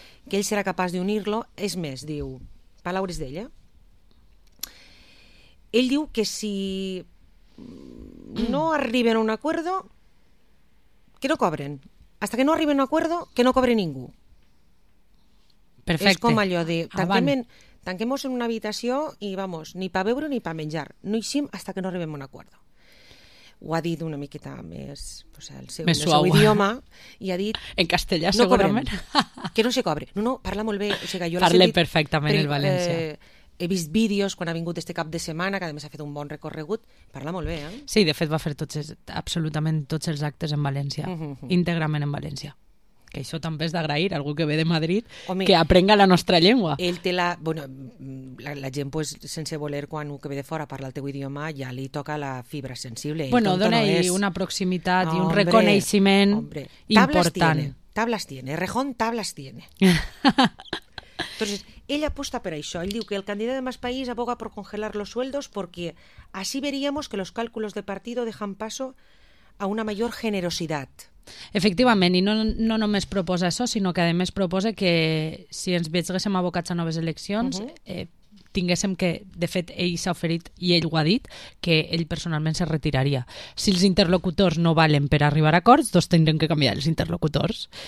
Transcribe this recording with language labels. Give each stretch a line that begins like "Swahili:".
Catalan: Que ell serà capaç d'unir-lo. És més, diu, paraules d'ella, ell diu que si no arriben a un acuerdo, que no cobren.
Spanish: Hasta que no arriben a un acuerdo, que no cobre ningú.
Catalan: Perfecte. És com allò de tanquem-nos en una habitació i, vamos, ni pa beure ni pa menjar. No hi sim hasta que no arribem a un acuerdo. ho ha dit una miqueta més, o sigui, el seu idioma, i ha dit... En castellà, no segurament.
Spanish: Que no se cobre.
Catalan: No, parla molt bé. O sigui, jo parla dit, perfectament el valencià. He vist vídeos quan ha vingut este cap de setmana, que a més ha fet un bon recorregut. Parla molt bé, eh? Sí, de fet va fer absolutament tots els actes en València, íntegrament en València. Que això també és d'agrair, algú que ve de Madrid, home, que aprenga la nostra llengua. Ell té la... Bueno, la gent, pues, sense voler, quan un que ve de fora parla el teu idioma, ja li toca la fibra sensible. Bueno, dona-hi no és... una proximitat, hombre, i un reconeixement, hombre, important.
Spanish: Tablas tiene. Rejón, tablas tiene.
Catalan: Entonces, ell aposta per això. Ell diu que el candidat de
Spanish: Más País aboga por congelar los sueldos porque así veríamos que los cálculos de partido dejan paso a una mayor generosidad.
Catalan: Efectivament, i no només proposa això, sinó que a més proposa que si ens veiéssim abocats a noves eleccions, tinguéssim que, de fet, ell s'ha oferit i ell ho ha dit, que ell personalment se retiraria. Si els interlocutors no valen per arribar a acords, doncs tindrem que canviar els interlocutors.